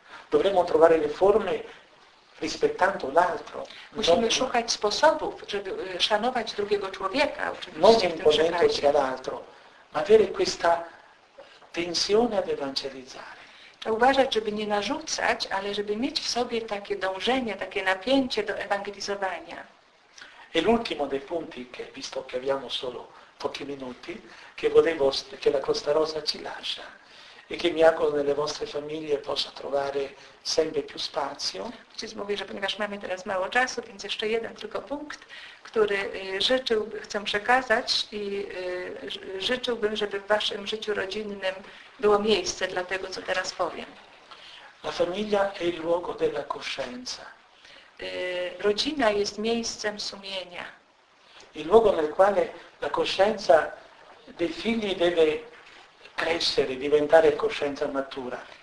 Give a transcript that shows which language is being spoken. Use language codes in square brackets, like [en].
[it] Dovremmo trovare le forme rispettando l'altro. [pl] Musimy szukać sposobów, żeby szanować drugiego człowieka, oczywiście. [it] Non imponendoci all'altro, ma avere questa tensione ad evangelizzare. [pl] Trzeba uważać, żeby nie narzucać, ale żeby mieć w sobie takie dążenie, takie napięcie do ewangelizowania. [it] E l'ultimo dei punti, che visto che abbiamo solo pochi minuti, che volevo che la Costa Rosa ci lascia. E che mi auguro nelle vostre famiglie possa trovare sempre più spazio. [pl] Ksiądz mówi, że ponieważ mamy teraz mało czasu, więc jeszcze jeden tylko punkt, który życzyłbym, chcę przekazać i życzyłbym, żeby w waszym życiu rodzinnym było miejsce dla tego, co teraz powiem. [it] La famiglia è il luogo della coscienza. [pl] Rodzina jest miejscem sumienia. [it] Il luogo nel quale la coscienza dei figli deve crescere, diventare coscienza matura.